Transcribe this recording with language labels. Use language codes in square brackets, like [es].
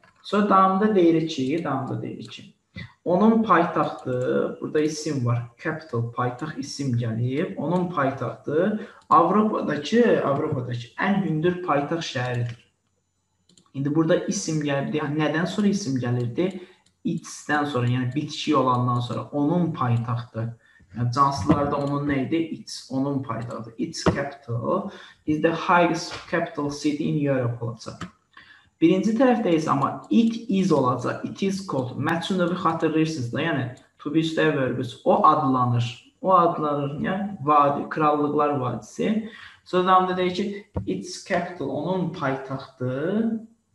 [az] Sonra davamda deyir ki, onun paytaxtı, burada isim var, capital, paytaxt isim gəlib, onun paytaxtı Avropadakı ən hündür paytaxt şəhəridir. İndi burada isim gəlirdi, yəni nədən sonra isim gəlirdi? It-dən sonra, yəni bitki olandan sonra, onun paytaxtı. Yəni canslılarda onun nə idi? It's, onun paytaxtı. [en] It's capital, is the highest capital city in Europe olacaq. [az] Birinci tərəfdə isə amma it is olacaq, [en] it is called. [az] Məhsul növü xatırlayırsınız da, yəni [en] to be the verbs, [az] o adlanır. O adlanır, yəni vadi, krallıqlar vadisi. Sonra davamda deyir ki, [en] it's capital, [az] onun paytaxtı.